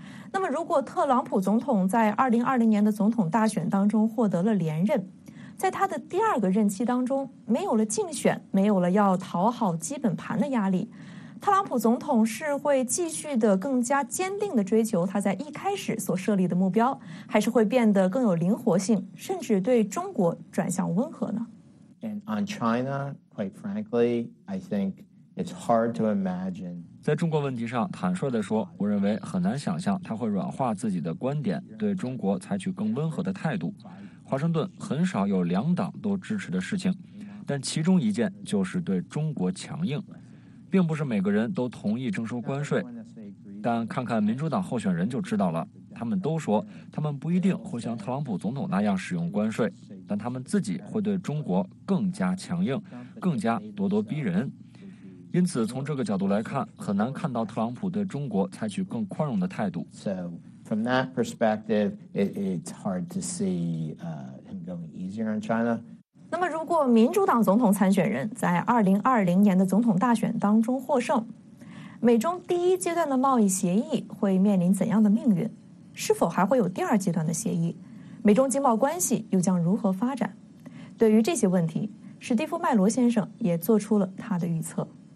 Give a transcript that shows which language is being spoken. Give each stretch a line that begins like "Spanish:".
Chinese: 那么如果特朗普总统在2020年的总统大选当中获得了连任，在他的第二个任期当中没有了竞选，没有了要讨好基本盘的压力，特朗普总统是会继续的更加坚定的追求他在一开始所设立的目标，还是会变得更有灵活性，甚至对中国转向温和呢？
English: And on China,Quite frankly, I think it's hard to imagine.
Chinese: 在中国问题上，坦率地说，我认为很难想象他会软化自己的观点，对中国采取更温和的态度。华盛顿很少有两党都支持的事情，但其中一件就是对中国强硬，并不是每个人都同意征收关税。但看看民主党候选人就知道了，他们都说他们不一定会像特朗普总统那样使用关税，但他们自己会对中国更加强硬，更加咄咄逼人。因此从这个角度来看，很难看到特朗普对中国采取更宽容的态度。
English: So from that perspective, it's hard to see him going easier on China.
Chinese: 那么如果民主党总统参选人在2020年的总统大选当中获胜，美中第一阶段的贸易协议会面临怎样的命运？是否还会有第二阶段的协议？美中经贸关系又将如何发展？对于这些问题，史蒂夫·麦罗先生也做出了他的预测。